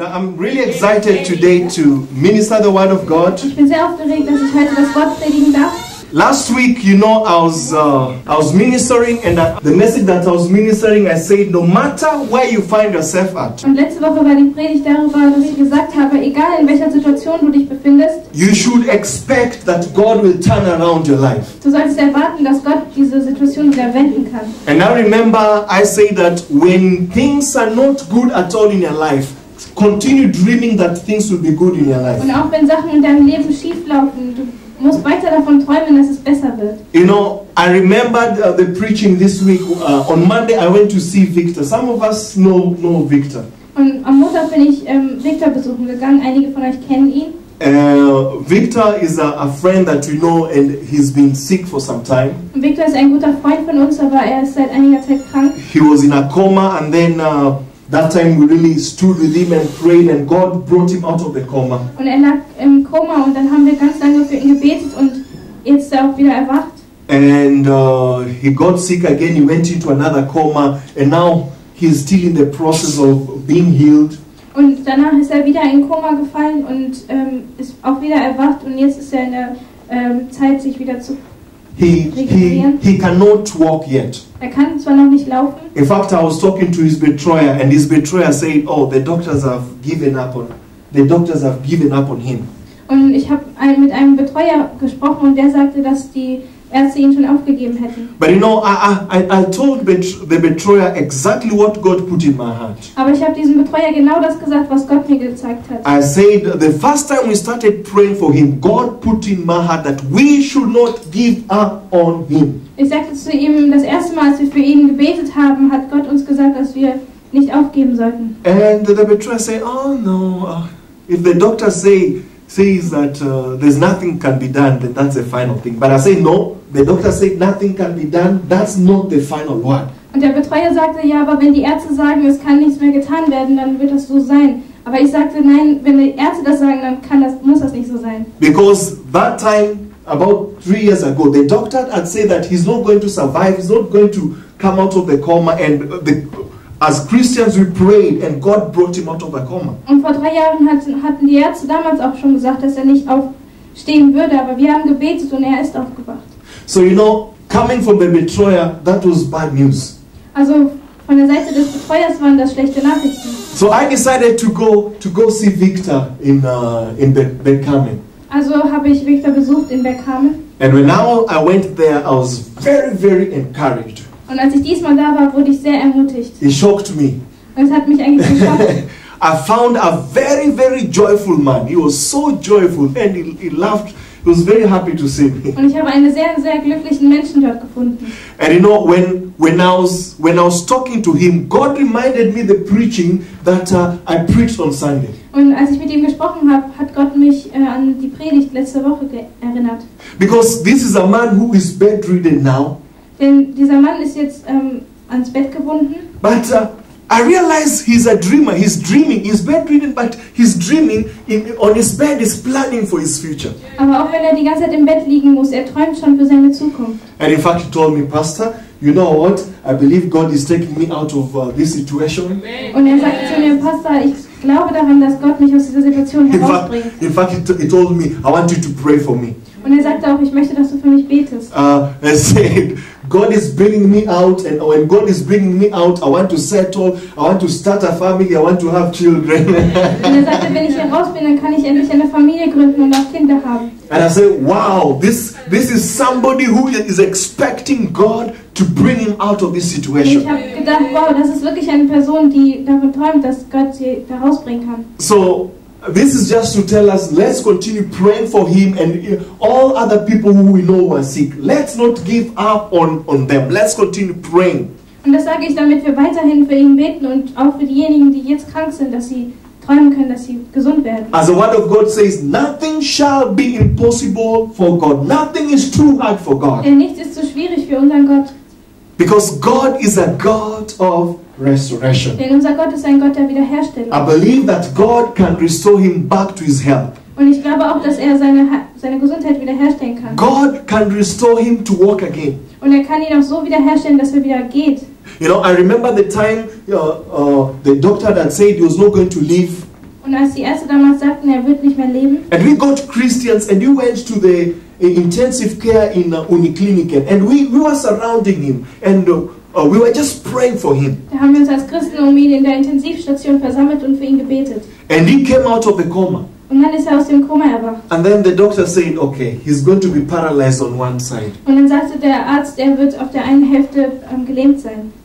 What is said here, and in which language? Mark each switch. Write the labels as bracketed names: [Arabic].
[English] I'm really excited today to minister the word of God. [German] Ich bin sehr aufgeregt, dass ich heute das Wort predigen darf. [English] Last week, you know, I was ministering, and the message that I was ministering, I said, no matter where you find yourself at. [German] Und letzte Woche war die Predigt darüber, dass ich gesagt habe, egal in welcher Situation du dich befindest, [English] you should expect that God will turn around your life. [German] Du sollst erwarten, dass Gott diese Situation wieder wenden kann. [English] And I remember I say that when things are not good at all in your life, continue dreaming that things will be good in your life. [German] Und auch wenn Sachen in deinem Leben schief laufen, du musst weiter davon träumen, dass es besser wird. [English] You know, I remembered the preaching this week. On Monday, I went to see Victor. Some of us know Victor. [German] Und am Montag bin ich Victor besuchen gegangen. Einige von euch kennen ihn. [English] Victor is a friend that you know, and he's been sick for some time. [German] Victor ist ein guter Freund von uns, aber er ist seit einiger Zeit krank. [English] He was in a coma, and then that time we really stood with him and prayed, and God brought him out of the coma. [German] Und er lag im Koma, und dann haben wir ganz lange für ihn gebetet, und jetzt ist er auch wieder erwacht. [English] And he got sick again. He went into another coma, and now he is still in the process of being healed. [German] Und danach ist er wieder in Koma gefallen und ist auch wieder erwacht, und jetzt ist er in der Zeit, sich wieder zu [English] He cannot walk yet. [German] Er kann zwar noch nicht laufen. [English] In fact, I was talking to his betrayer, and his betrayer said, "Oh, the doctors have given up on him." [German] Und ich habe mit einem Betreuer gesprochen, und der sagte, dass die Ärzte ihn schon aufgegeben hätten. [English] But you know, I told the betrayer exactly what God put in my heart. [German] Aber ich habe diesem Betreuer genau das gesagt, was Gott mir gezeigt hat. [English] I said the first time we started praying for him, God put in my heart that we should not give up on him. [German] Ich sagte zu ihm, das erste Mal, als wir für ihn gebetet haben, hat Gott uns gesagt, dass wir nicht aufgeben sollten. [English] And the betrayer said, "Oh no, if the doctors says that there's nothing can be done, then that's the final thing." But I say, no, the doctor said nothing can be done, that's not the final word. [German] Und der Betreuer sagte, ja, aber wenn die Ärzte sagen, es kann nichts mehr getan werden, dann wird das so sein. Aber ich sagte, nein, wenn die Ärzte das sagen, dann muss das nicht so sein. [English] Because that time, about 3 years ago, the doctor had said that he's not going to survive, he's not going to come out of the coma, and as Christians, we prayed, and God brought him out of the coma. [German] Und vor 3 Jahren hatten die Ärzte damals auch schon gesagt, dass er nicht aufstehen würde, aber wir haben gebetet, und er ist aufgewacht. [English] So you know, coming from the betrayer, that was bad news. [German] Also von der Seite des Betreuers waren das schlechte Nachrichten. [English] So I decided to go see Victor in Bergkamen. [German] Also habe ich Victor besucht in Bergkamen. [English] And when now I went there, I was very, very encouraged. [German] Und als ich diesmal da war, wurde ich sehr ermutigt. [English] It shocked me. [German] Und es hat mich eigentlich geschockt. [English] I found a very, very joyful man. He was so joyful, and he laughed. He was very happy to see me. [German] Und ich habe einen sehr, sehr glücklichen Menschen dort gefunden. [English] And you know, when I was talking to him, God reminded me the preaching that I preached on Sunday. [German] Und als ich mit ihm gesprochen habe, hat Gott mich an die Predigt letzte Woche erinnert. [English] Because this is a man who is bedridden now. [German] Denn dieser Mann ist jetzt ans Bett gebunden. [English] But I realize he's a dreamer. He's dreaming. He's bedridden, but he's dreaming on his bed. He's planning for his future. [German] Aber auch wenn er die ganze Zeit im Bett liegen muss, er träumt schon für seine Zukunft. [English] And in fact, he told me, "Pastor, you know what? I believe God is taking me out of this situation." [German] Und er sagte zu mir, "Pastor, ich glaube daran, dass Gott mich aus dieser Situation herausbringt." [English] In fact, he told me, "I want you to pray for me." [German] Und er sagte auch, ich möchte, dass du für mich betest. [English] Er said, "God is bringing me out, and when God is bringing me out, I want to settle, I want to start a family, I want to have children." [German] Und er sagte, wenn ich hier raus bin, dann kann ich endlich eine Familie gründen und auch Kinder haben. [English] And I said, "Wow, this is somebody who is expecting God to bring him out of this situation." [German] Ich habe gedacht, wow, das ist wirklich eine Person, die davon träumt, dass Gott sie da rausbringen kann. [English] So this is just to tell us, let's continue praying for him and all other people who we know are sick. Let's not give up on them. Let's continue praying. [German] Und das sage ich, damit wir weiterhin für ihn beten und auch für diejenigen, die jetzt krank sind, dass sie träumen können, dass sie gesund werden. [English] As the word of God says, nothing shall be impossible for God. Nothing is too hard for God. [German] Denn nichts ist zu schwierig für unseren Gott. [English] Because God is a God of resurrection. [German] Denn unser Gott ist ein Gott der Wiederherstellung. [English] I believe that God can restore him back to his health. [German] Und ich glaube auch, dass er seine Gesundheit wiederherstellen kann. [English] God can restore him to walk again. [German] Und er kann ihn auch so wiederherstellen, dass er wieder geht. [English] You know, I remember the time the doctor had said he was not going to live. [German] Und als die Ärzte damals sagten, er wird nicht mehr leben. [English] And we got Christians and you went to the intensive care in Unikliniken and we were surrounding him and we were just praying for him. [German] Da haben wir uns als Christen um ihn in der Intensivstation versammelt und für ihn gebetet. [English] And he came out of the coma. [German] Und dann ist er aus dem Koma erwacht. [English] And then the doctor said, okay, he's going to be paralyzed on one side. [German] Und dann sagte der Arzt, er wird auf der einen Hälfte gelähmt sein.